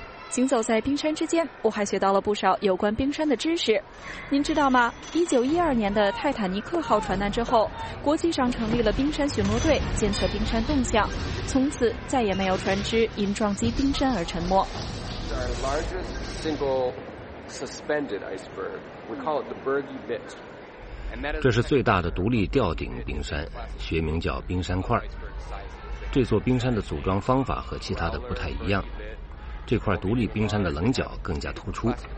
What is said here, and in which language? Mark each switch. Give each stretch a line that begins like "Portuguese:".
Chinese: 行走在冰山之间，我还学到了不少有关冰山的知识。您知道吗？ 1912年的泰坦尼克号船难之后，国际上成立了冰山巡逻队，监测冰山动向，从此再也没有船只因撞击冰山而沉没。
English: Our largest single suspended iceberg, we call it the Bergy Bit.
Chinese: 这是最大的独立吊顶冰山，学名叫冰山块。这座冰山的组装方法和其他的不太一样，这块独立冰山的棱角更加突出。